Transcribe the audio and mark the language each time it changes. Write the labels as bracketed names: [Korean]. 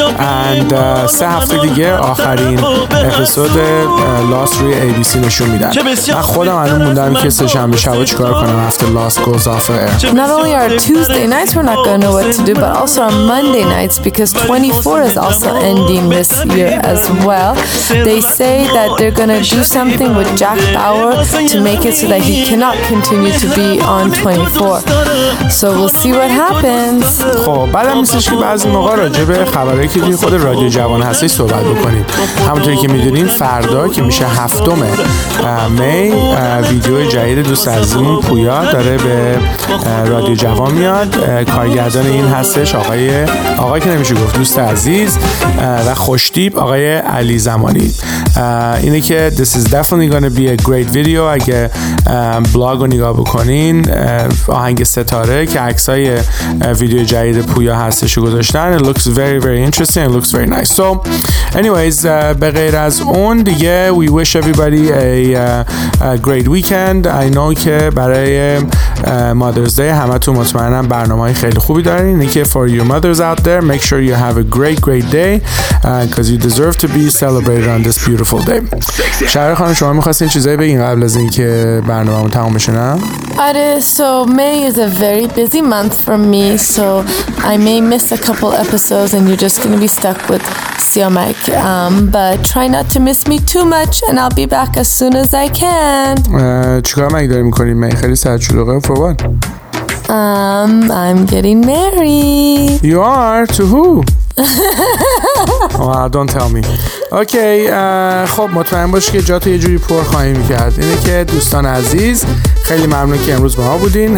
[Persian] اند سه هفته دیگه آخرین اپیزود لاست روی ای بی سی نشون میدن. من خودم الان موندم که سه شنبه شب چیکار کنم [English] after Lost Goes Off Air. Not only are Tuesday nights we're not gonna know what to do, but also our Monday nights, because 24 is also ending this year as well. They say that they're gonna do something with Jack Bauer to make it so that he cannot continue to be on 24. So we'll see what happens. [Persian] خب بعدم میشه که بعضی موقع راجبه خبرایی که توی خود رادیو جوان هستی صحبت بکنیم. همونطوری که میدونیم فردا که میشه هفتمه می ویدیو جدید دوست عزیزمون پویا داره به رادیو جوان میاد. کارگردان این هستش آقای که نمیشه گفت دوست عزیز و خوشتیپ آقای علی زمانی. اینه که [English] this is definitely gonna be a great video. [Persian] اگه بلاگ رو نگاه بکنین آهنگ ستاره که عکسای ویدیو جدید پویا هستش رو گذاشتن. [English] It looks very very interesting. It looks very nice. So anyways, [Persian] به غیر از اون دیگه [English] we wish everybody a great weekend. I know [Persian] که برای مادرز دی همه تو مطمئنم برنامه های خیلی خوبی دارین. اینه که [English] for your mothers out there, make sure you have a great great day because you deserve to be celebrated on this beautiful day. [Persian] شهر خانم شما میخواستین چیزایی بگین قبل از این که برنامه همون تمام بشه؟ نه آره. [English] So May is a very busy month for me, so I may miss a couple episodes and you're just going to be stuck with Siomic. But try not to miss me too much and I'll be back as soon as I can. [Persian] چیکار مگه داری میکنی می؟ خیلی ساعت شلوغه. [English] For what? I'm getting married. You are? To who? don't tell me. [Persian] Okay, خب مطمئن باش که جاتو یه جوری پر خواهیم کرد. اینه که دوستان عزیز خیلی ممنون که امروز با ما بودین.